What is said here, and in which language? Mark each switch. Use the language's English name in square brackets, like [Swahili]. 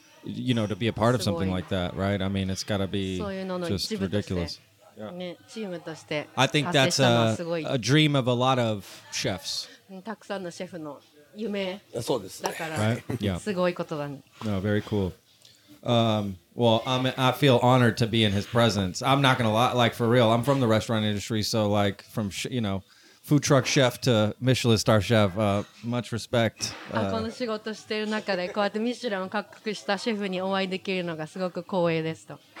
[English] You know, to be a part of something like that, right? I mean, it's got to be just ridiculous. Yeah. I think that's a dream of a lot of chefs. [Japanese] たくさんのシェフの夢。そうですね。だから、 [English] right? yeah. [Japanese] すごいことだね。 [English] No, very cool. Well, I feel honored to be in his presence. I'm not gonna lie, like for real. I'm from the restaurant industry, so like from you know, food truck chef to Michelin star chef. Much respect. [Japanese] この仕事してる中でこうやってミシュランを獲得したシェフにお会いできるのがすごく光栄ですと。